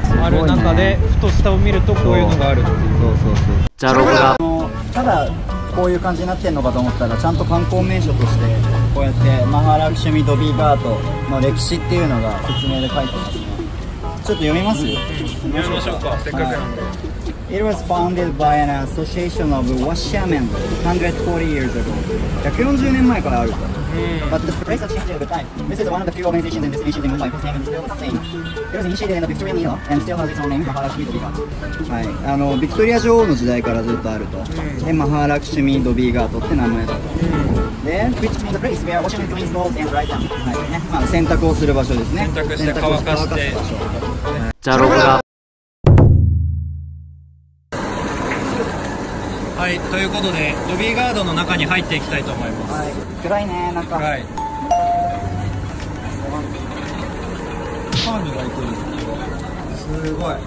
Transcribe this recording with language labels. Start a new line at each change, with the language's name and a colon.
Japanese: ある中でふと下を見るとこういうのがあるっていう、そうじゃあロゴが、ただこういう感じになってんのかと思ったら、ちゃんと観光名所としてこうやってマハラクシュミドビーガートの歴史っていうのが説明で書いてますね。ちょっと読みます、読みましょうか、せっかくなんで、はい。
English: It was founded by an association of washermen 140 years ago.
Japanese: 140年前からあるから。
English: But the place has changed over time. This is one of the few organizations in this ancient Mumbai whose name is still the same. It was initiated in the Victorian era and still has its own name, Mahalakshmi Dobi Ghat.
Japanese: はい、あのビクトリア女王の時代からずっとあると。で、マハラクシュミ・ドビーガートって名前だと。で、
English: Which means the place where washermen clean clothes and dry them.
Japanese: はい、ね、まあ、洗濯をする場所ですね。洗濯して乾かす場所。じゃあロゴが。はい、ということでドビーガードの中に入っていきたいと思います。はい、暗いね、中、はい、ファンの外交ですね、すごい。